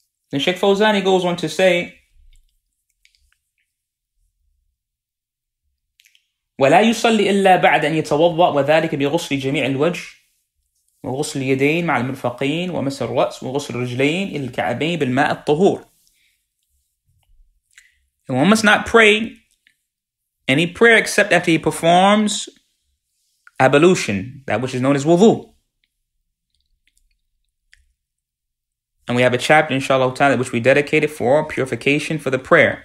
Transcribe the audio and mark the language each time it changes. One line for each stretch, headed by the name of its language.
English: Then Sheikh Fawzani goes on to say,
Arabic: ولا يصلي إلا بعد أن يتوضأ وذلك بغسل جميع الوجه وغسل اليدين مع المرفقين ومس الرأس وغسل الرجلين إلى الكعبين بالماء الطهور.
English: And one must not pray any prayer except after he performs ablution, that which is known as wudu. And we have a chapter, inshallah ta'ala, which we dedicated for purification for the prayer.